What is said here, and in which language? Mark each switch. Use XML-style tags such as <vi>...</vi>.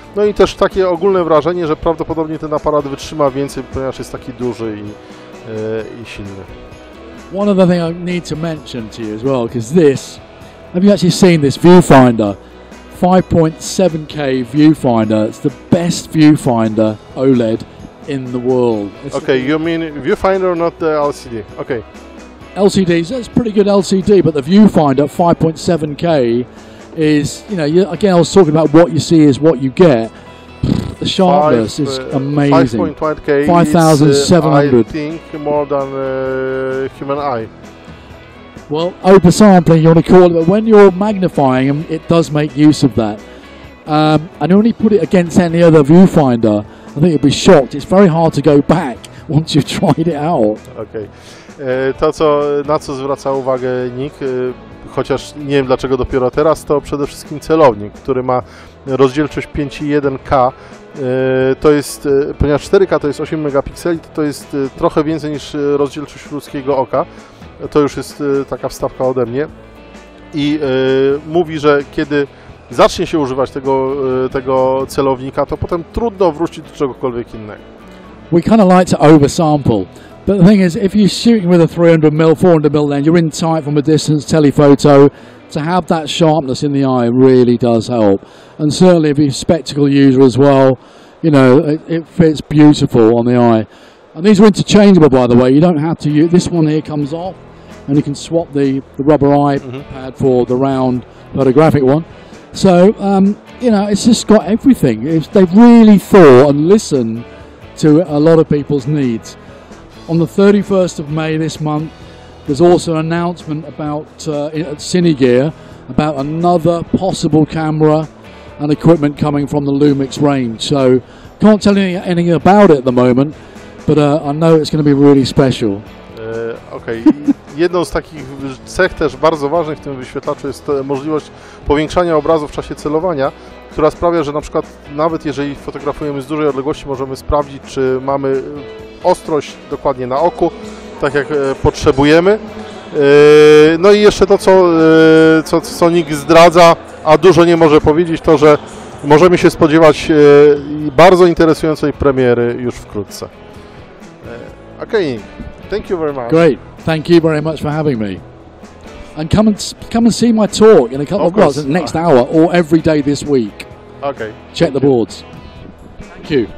<pl>No i też takie ogólne wrażenie, że prawdopodobnie ten aparat wytrzyma więcej, ponieważ jest taki duży i silny.</pl> <en>One other thing I need to mention to you as well, because this, have you actually seen this viewfinder? 5.7K viewfinder, it's the best viewfinder OLED in the world. It's okay, you mean viewfinder, not the LCD? Okay. LCD, that's pretty good LCD, but the viewfinder 5.7K is, you know, again, I was talking about what you see is what you get. The sharpness is amazing. 5.8K, 5,700. I think more than human eye. Well, over sampling, you want to call it, but when you're magnifying them, it does make use of that. And when you put it against any other viewfinder, I think you'll be shocked. It's very hard to go back once you've tried it out. Okay.</en> <pl>To, na co zwraca uwagę Nick, chociaż nie wiem dlaczego dopiero teraz, to przede wszystkim celownik, który ma rozdzielczość 5.1K. To jest, ponieważ 4K to jest 8 megapikseli, to jest trochę więcej niż rozdzielczość ludzkiego oka. To już jest taka wstawka ode mnie. I mówi, że kiedy zacznie się używać tego celownika, to potem trudno wrócić do czegokolwiek innego.</pl> <en>We kind of like to oversample. But the thing is, if you're shooting with a 300mm, 400mm lens, you're in tight from a distance, telephoto, to have that sharpness in the eye really does help. And certainly if you're a spectacle user as well, you know, it fits beautiful on the eye. And these are interchangeable, by the way. You don't have to use, this one here comes off, and you can swap the rubber eye pad for the round photographic one. So, you know, it's just got everything. They've really thought and listened to a lot of people's needs. On the 31st of May this month, there's also an announcement at Cinegear about another possible camera and equipment coming from the Lumix range. So can't tell you anything about it at the moment, but I know it's going to be really special. Okay.</en> <pl>Jedną z takich cech też bardzo ważnych w tym wyświetlaczu jest możliwość powiększania obrazu w czasie celowania, która sprawia, że na przykład nawet jeżeli fotografujemy z dużej odległości, możemy sprawdzić, czy mamy ostrość dokładnie na oku, tak jak potrzebujemy. No i jeszcze to, co Nick zdradza, a dużo nie może powiedzieć, to, że możemy się spodziewać bardzo interesującej premiery już wkrótce.</pl> <en>Okay, Nick, thank you very much. Great, thank you very much for having me. And come and see my talk in a couple of hours, next hour or every day this week. Okay. Check the boards. Thank you.</en>